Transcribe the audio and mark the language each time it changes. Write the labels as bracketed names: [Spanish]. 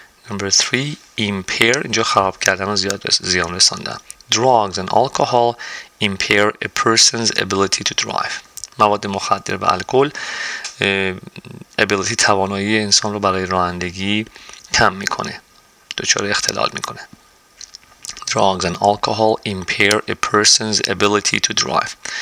[English] Number 3، [Persian] impair، اینجا خراب کردن و زیان رساندن. [English] Drugs and alcohol impair a person's ability to drive. [Persian] مواد مخدر و الکل ability، توانایی انسان رو برای رانندگی کم میکنه، دچار اختلال میکنه. [English] Drugs and alcohol impair a person's ability to drive.